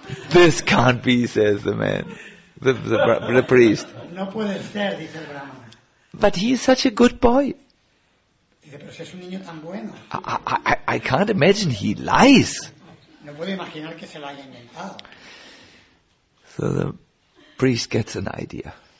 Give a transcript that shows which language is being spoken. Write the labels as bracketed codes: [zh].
[en] This can't be, says the man, the priest. [es] No puede ser, dice el brahmana. [en] But he is such a good boy. [es] Dice, pero si es un niño tan bueno. [en] I can't imagine he lies. [es] No puedo imaginar que se lo haya inventado. [en] So the priest gets an idea.